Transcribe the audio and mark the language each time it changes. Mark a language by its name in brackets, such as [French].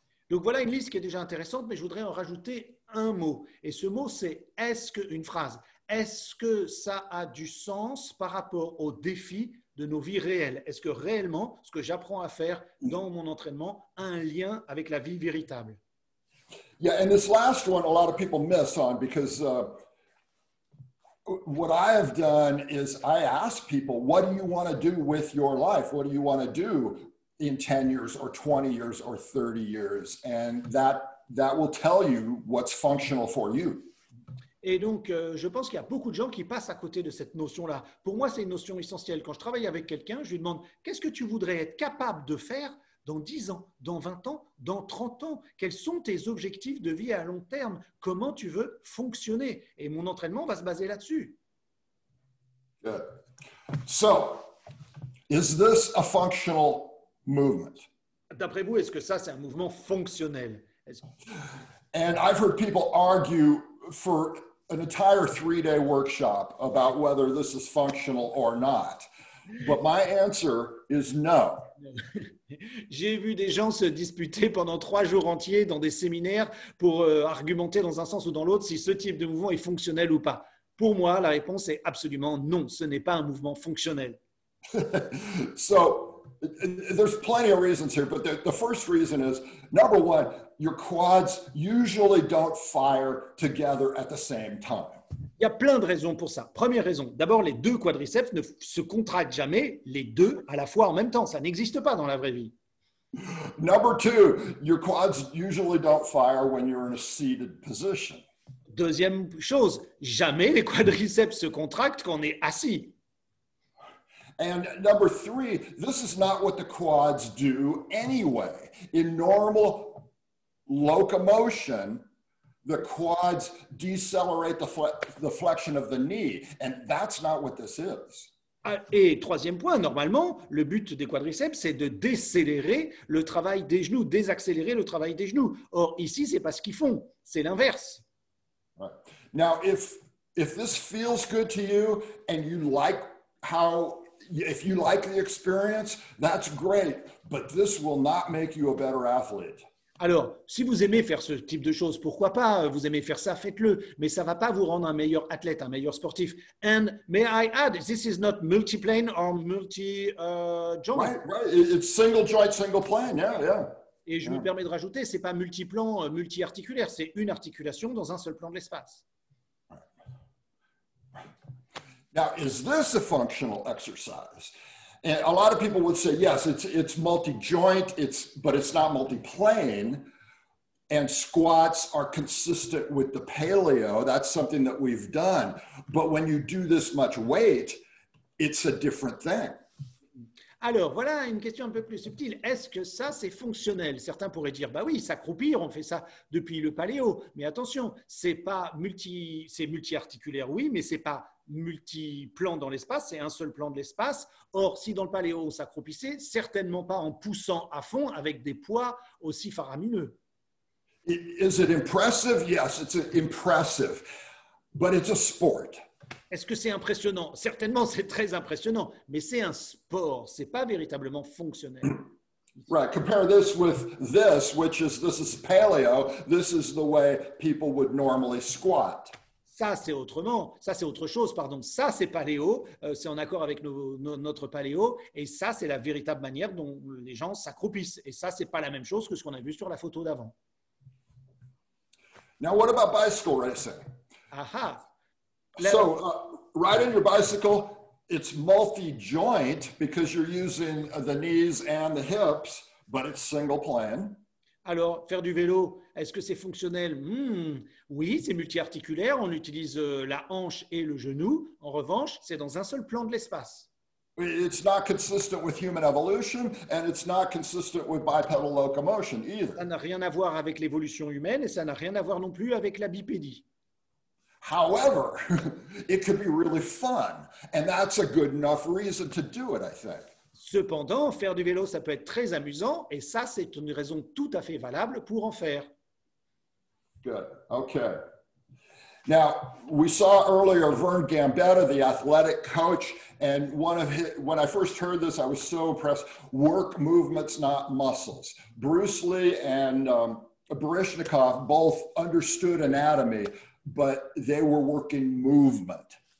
[French] Donc voilà une liste qui est déjà intéressante, mais je voudrais en rajouter un mot. Et ce mot, c'est est-ce que une phrase. Est-ce que ça a du sens par rapport au défi de nos vies réelles? Est-ce que réellement, ce que j'apprends à faire dans mon entraînement a un lien avec la vie véritable? [English] Yeah, and this last one, a lot of people miss on because what I have done is I ask people, what do you want to do with your life? What do you want to do in 10 years or 20 years or 30 years? And that will tell you what's functional for you. [French] Et donc, je pense qu'il y a beaucoup de gens qui passent à côté de cette notion-là. Pour moi, c'est une notion essentielle. Quand je travaille avec quelqu'un, je lui demande, qu'est-ce que tu voudrais être capable de faire dans 10 ans, dans 20 ans, dans 30 ans? Quels sont tes objectifs de vie à long terme? Comment tu veux fonctionner? Et mon entraînement va se baser là-dessus. [English] Good. So, is this a functional movement? [French] D'après vous, est-ce que ça, c'est un mouvement fonctionnel? [English] And I've heard people argue for an entire 3-day workshop about whether this is functional or not. But my answer is no. [French] J'ai vu des gens se disputer pendant 3 jours entiers dans des séminaires pour argumenter dans un sens ou dans l'autre si ce type de mouvement est fonctionnel ou pas. Pour moi, la réponse est absolument non, ce n'est pas un mouvement fonctionnel. [English] So there's plenty of reasons here, but the first reason is, number one, your quads usually don't fire together at the same time. [French] Il y a plein de raisons pour ça. Première raison, d'abord, les deux quadriceps ne se contractent jamais les deux à la fois en même temps. Ça n'existe pas dans la vraie vie. [English] Number two, your quads usually don't fire when you're in a seated position. [French] Deuxième chose, jamais les quadriceps se contractent quand on est assis. [English] And number three, this is not what the quads do anyway. In normal locomotion, the quads decelerate the flexion of the knee. And that's not what this is. [French] Et troisième point, normalement, le but des quadriceps, c'est de décélérer le travail des genoux, désaccélérer le travail des genoux. Or, ici, ce n'est pas ce qu'ils font. C'est l'inverse. [English] Right. Now, if this feels good to you and you like how... If you like the experience, that's great, but this will not make you a better athlete. [French] Alors, si vous aimez faire ce type de choses, pourquoi pas? Vous aimez faire ça, faites-le, mais ça va pas vous rendre un meilleur athlète, un meilleur sportif. [English] And may I add, this is not multi-plane or multi-joint. Right. It's single joint, single plane. Yeah. [French] Et je me permets de rajouter, c'est pas multi-plan, multi-articulaire, c'est une articulation dans un seul plan de l'espace. [English] Now, is this a functional exercise? And a lot of people would say, yes, it's multi-joint, but it's not multi-plane. And squats are consistent with the paleo. That's something that we've done. But when you do this much weight, it's a different thing. [French] Alors, voilà une question un peu plus subtile. Est-ce que ça, c'est fonctionnel? Certains pourraient dire, bah oui, s'accroupir, on fait ça depuis le paléo. Mais attention, c'est multi-articulaire, oui, mais c'est pas multi-plan dans l'espace, c'est un seul plan de l'espace. Or, si dans le paléo, on s'accroupissait, certainement pas en poussant à fond avec des poids aussi faramineux. [English] Is it impressive? Yes, it's impressive. But it's a sport. [French] Est-ce que c'est impressionnant? Certainement, c'est très impressionnant, mais c'est un sport, c'est pas véritablement fonctionnel. [English] Right, compare this with this, which is, this is paleo, this is the way people would normally squat. [French] Ça, c'est autre chose. Ça, c'est paléo, c'est en accord avec notre paléo, et ça, c'est la véritable manière dont les gens s'accroupissent. Et ça, c'est pas la même chose que ce qu'on a vu sur la photo d'avant. [English] Now, what about bicycle racing? Aha! So, riding your bicycle, it's multi-joint because you're using the knees and the hips, but it's single plane. [French] Alors, faire du vélo, est-ce que c'est fonctionnel? Oui, c'est multi-articulaire. On utilise la hanche et le genou. En revanche, c'est dans un seul plan de l'espace. [English] It's not consistent with human evolution, and it's not consistent with bipedal locomotion either. [French] Ça n'a rien à voir avec l'évolution humaine, et ça n'a rien à voir non plus avec la bipédie. [English] However, it could be really fun, and that's a good enough reason to do it, I think. [French] Cependant, faire du vélo, ça peut être très amusant, et ça, c'est une raison tout à fait valable pour en faire. [English] Good. Okay. Now, we saw earlier Vern Gambetta, the athletic coach, and one of his, when I first heard this, I was so impressed. Work movements, not muscles. Bruce Lee and Baryshnikov both understood anatomy, but they were working movement.